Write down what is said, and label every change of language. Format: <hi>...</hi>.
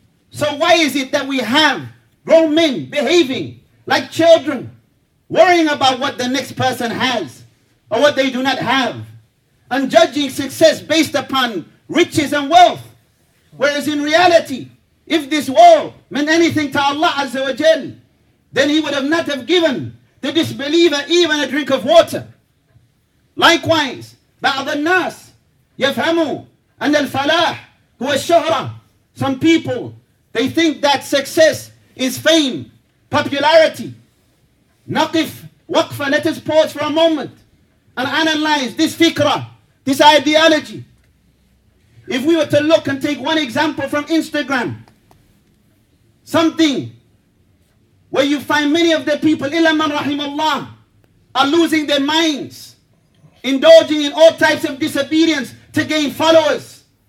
<en>So why is it that we have grown men behaving like children, worrying about what the next person has or what they do not have, and judging success based upon riches and wealth? Whereas in reality, if this world meant anything to Allah Azza wa Jal, then He would have not have given the disbeliever even a drink of water. Likewise,</en> <ar>بعض الناس يفهموا أن الفلاح هو الشهرة.</ar> <en>Some people, they think that success is fame, popularity.</en> <ar>نقف وقفة,</ar> <en>let us pause for a moment and analyze this fikra, this ideology. If we were to look and take one example from Instagram, something where you find many of the people,</en> <ar>إلا من رحم الله,</ar> <en>are losing their minds, indulging in all types of disobedience to gain followers.</en>